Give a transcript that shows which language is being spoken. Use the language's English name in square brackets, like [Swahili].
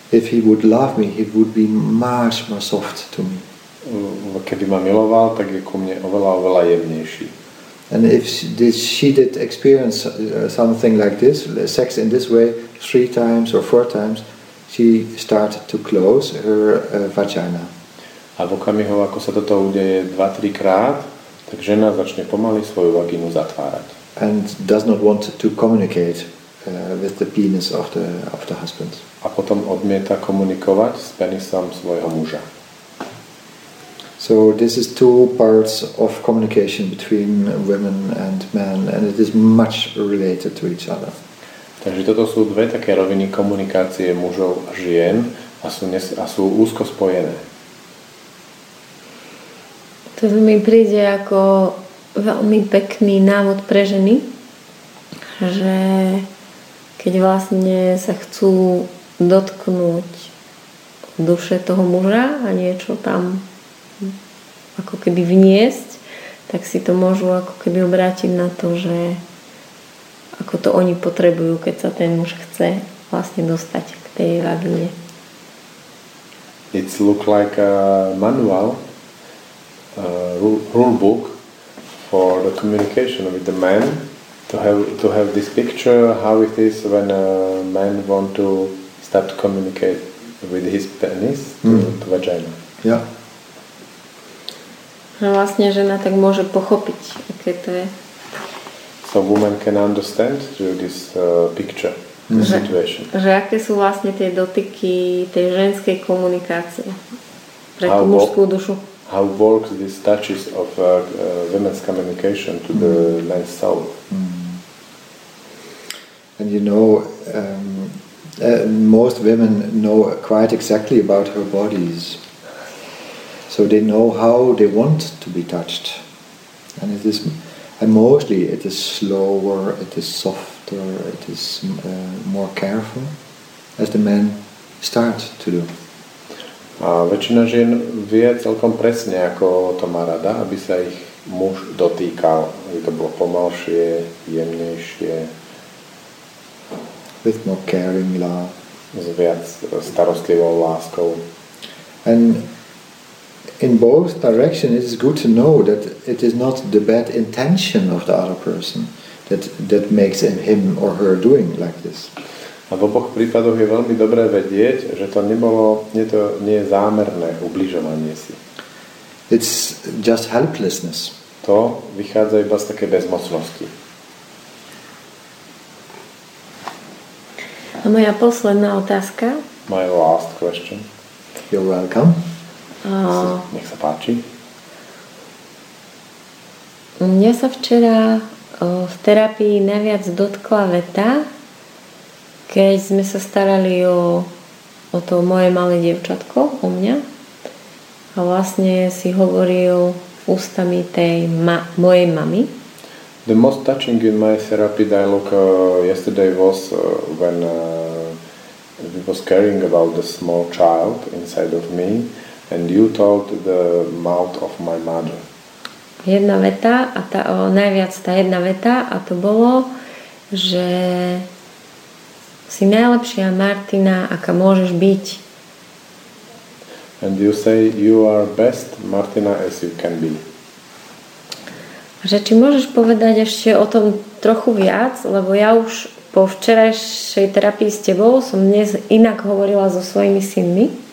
[English] If he would love me, he would be much more soft to me. [Slovak] Keby ma miloval, tak je ku mne oveľa, oveľa jemnejší. [English] And if she did experience something like this, sex in this way, 3 times or 4 times, she started to close her vagina. [Slovak] A v okamihu, ako sa toto udeje 2-3 krát, tak žena začne pomaly svoju vaginu zatvárať. [English] And does not want to communicate with the penis of the husband. [Slovak] A potom odmieta komunikovať s penisom svojho muža. [English] So this is two parts of communication between women and men, and it is much related to each other. [Slovak] Takže toto sú dve také roviny komunikácie mužov a žien a sú úzko spojené. To mi príde ako veľmi pekný návod pre ženy, že keď vlastne sa chcú dotknúť duše toho muža a niečo tam ako keby vniesť, tak si to môžu ako keby obrátiť na to, že ako to oni potrebujú, keď sa ten muž chce vlastne dostať k tej vagíne. [English] It's look like a manual, a rule book for the communication with the man. To have this picture, how it is when a man want to start to communicate with his penis, to vagina. Yeah. [Slovak] A vlastne žena tak môže pochopiť, aké to je. [English] So woman can understand through this picture, the situation. [Slovak] Že aké sú vlastne tie dotyky tej ženskej komunikácie pre tú mužskú dušu. [English] How works these touches of women's communication to the man's soul. And you know, Most women know quite exactly about her bodies. So they know how they want to be touched. And it is, and mostly it is slower, it is softer, it is more careful, as the men start to do. [Slovak] A väčšina žien vie celkom presne, ako to má rada, aby sa ich muž dotýkal, aby to bolo pomalšie, jemnejšie. [English] With more caring love. [Slovak] S viac starostlivou láskou. [English] And in both directions it is good to know that it is not the bad intention of the other person that makes him or her doing like this. [Slovak] A v oboch prípadoch je veľmi dobré vedieť, že to nebolo, nie, to nie je zámerné ubližovanie si. [English] It's just helplessness. [Slovak] To vychádza iba z také bezmocnosti. A moja posledná otázka. [English] My last question. You're welcome. [Slovak] Nech sa páči. Mňa sa včera v terapii najviac dotkla veta, keď sme sa starali o to moje malé dievčatko, o mňa, a vlastne si hovoril ústami tej mojej mamy. [English] The most touching in my therapy dialogue yesterday was when we was caring about the small child inside of me and you told the mouth of my mother. [Slovak] Jedna veta, a tá, najviac tá jedna veta, a to bolo, že si najlepšia Martina, aká môžeš byť. [English] And you say you are best Martina as you can be. [Slovak] Že či môžeš povedať ešte o tom trochu viac, lebo ja už po včerajšej terapii s tebou som dnes inak hovorila so svojimi synmi.